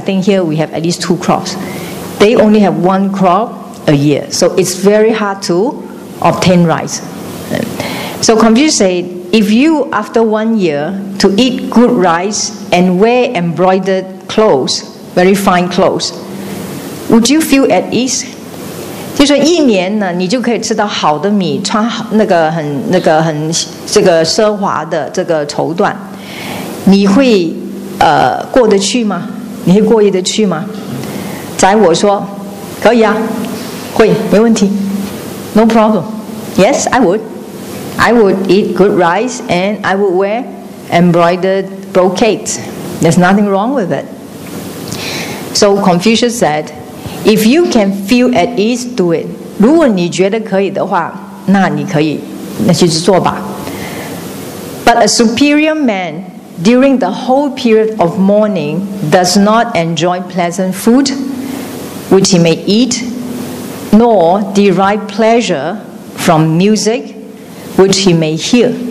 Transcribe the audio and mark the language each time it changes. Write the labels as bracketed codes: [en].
[en] I think here we have at least 2 crops. They only have 1 crop a year. So it's very hard to obtain rice. So Confucius said, if you, after 1 year, to eat good rice and wear embroidered clothes, very fine clothes, would you feel at ease? [zh] 就说一年呢，你就可以吃到好的米，穿那个很那个很这个奢华的这个绸缎，你会过得去吗？你会过意得去吗？宰我说可以啊, 会, 没问题, [en] no problem. Yes, I would. I would eat good rice and I would wear embroidered brocade. There's nothing wrong with it. So Confucius said, if you can feel at ease, do it. [zh] 如果你觉得可以的话, 那你可以, 那去做吧。 [en] But a superior man, during the whole period of mourning, does not enjoy pleasant food, which he may eat, nor derive pleasure from music, which he may hear.